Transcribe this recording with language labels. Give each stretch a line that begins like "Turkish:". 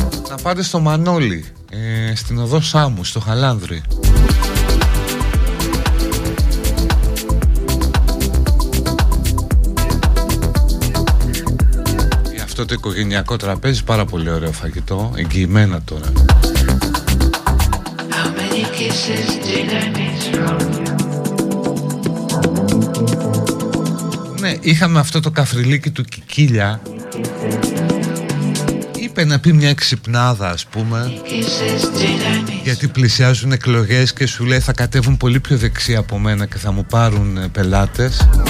Greek: Να πάτε στο Μανώλη, στην οδό Σάμου, στο Χαλάνδρι. Αυτό το οικογενειακό τραπέζι, πάρα πολύ ωραίο φαγητό, εγγυημένα τώρα.
English: How many kisses did I miss from you?
Greek: Ναι, είχαμε αυτό το καφριλίκι του Κικίλια. Είπε να πει μια ξυπνάδα, ας πούμε, γιατί πλησιάζουν εκλογές και σου λέει θα κατέβουν πολύ πιο δεξιά από μένα και θα μου πάρουν πελάτες.